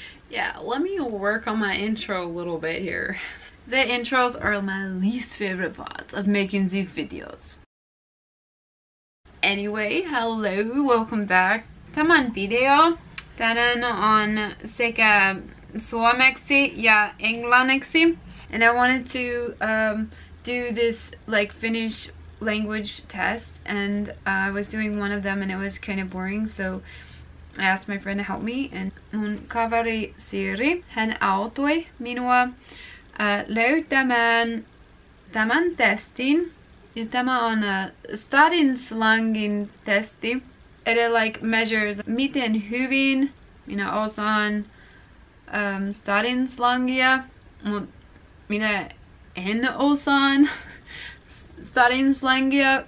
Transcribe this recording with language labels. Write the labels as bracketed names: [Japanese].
[English] Yeah, let me work on my intro a little bit here. The intros are my least favorite part of making these videos. Anyway, hello, welcome back. Come on, video. [Finnish] Tänään on sekä suomeksi ja englanniksi. [English] And I wanted to do this like Finnish language test, and I was doing one of them and it was kind of boring, so I asked my friend to help me, and [Finnish] mun kaveri Siri hän auttoi minua löytämään tämän testin. Ja tämä on Stadin slangin testi. [English] It like measures [Finnish] miten hyvin minä osaan Stadin slangia, mut minä en osaan Stadin slangia.